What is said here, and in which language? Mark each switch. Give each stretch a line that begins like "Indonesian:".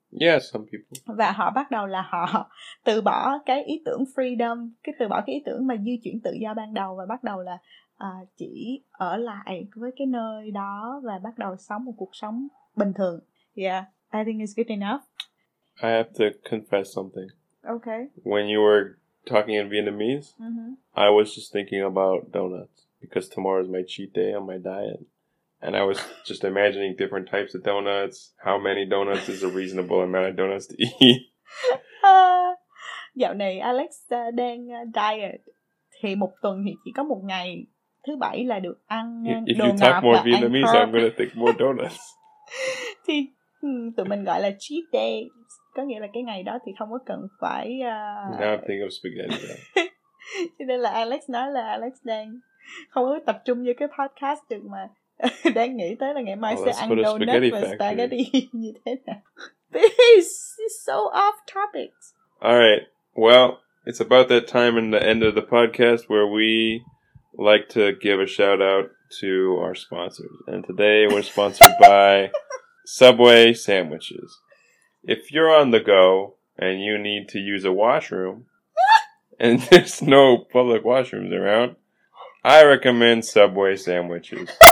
English: Yeah, some people.
Vietnamese: Và họ bắt đầu là họ từ bỏ cái ý tưởng freedom, cái từ bỏ cái ý tưởng mà di chuyển tự do ban đầu, và bắt đầu là chỉ ở lại với cái nơi đó và bắt đầu sống một cuộc sống bình thường.
English: Yeah, I think it's good enough. I have to confess something. Okay. When you were talking in Vietnamese, I was just thinking about donuts because tomorrow is my cheat day on my diet. And I was just imagining different types of donuts. How many donuts is a reasonable amount of donuts to eat?
Vietnamese: Dạo này Alex đang diet. Thì một tuần thì chỉ có một ngày thứ bảy là được ăn
English: donuts. If you talk more Vietnamese, I'm going to think more donuts.
Vietnamese: Thì tụi mình gọi là cheat day. Có nghĩa là cái ngày đó thì không có cần phải...
English: Now I'm thinking of spaghetti.
Vietnamese: Cho nên là Alex nói là Alex đang không có tập trung vô cái podcast được mà. Đang nghĩ tới là ngày mai sẽ ăn donut và spaghetti như thế nào.
English: This is so off topic. All right. Well, it's about that time in the end of the podcast where we like to give a shout out to our sponsors. And today we're sponsored by Subway Sandwiches. If you're on the go and you need to use a washroom and there's no public washrooms around, I recommend Subway Sandwiches.